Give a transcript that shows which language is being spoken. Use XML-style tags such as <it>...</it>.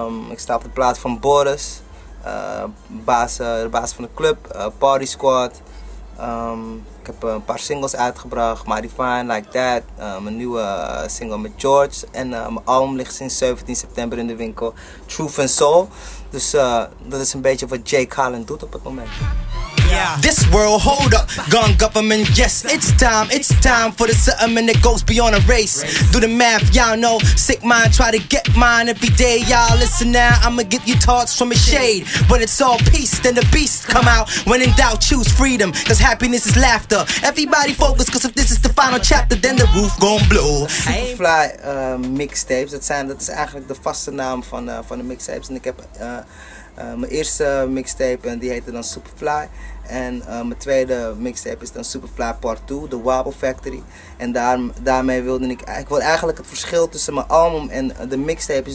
<nl>Ik sta op de plaats van Boris, de baas van de club, Party Squad. Ik heb een paar singles uitgebracht, Mighty Fine, Like That. Mijn nieuwe single met George. En mijn album ligt sinds 17 september in de winkel, Truth and Soul. Dus dat is een beetje wat Jay Carlin doet op het moment.</nl> <en>Yeah. This world, hold up, gun government, yes, it's time for the settlement that goes beyond a race. Do the math, y'all know, sick mind, try to get mine every day, y'all listen now, I'ma give you thoughts from a shade. When it's all peace, then the beast come out, when in doubt, choose freedom, cause happiness is laughter. Everybody focus, cause if this is the final chapter, then the roof gon' blow.</en> <nl>Superfly mixtapes, dat is eigenlijk de vaste naam van de mixtapes, en ik heb... mijn eerste mixtape die heette dan Superfly. En mijn tweede mixtape is dan Superfly Part 2, The Wobble Factory. En daarmee wilde ik... Ik wil eigenlijk het verschil tussen mijn album en de mixtapes...</nl>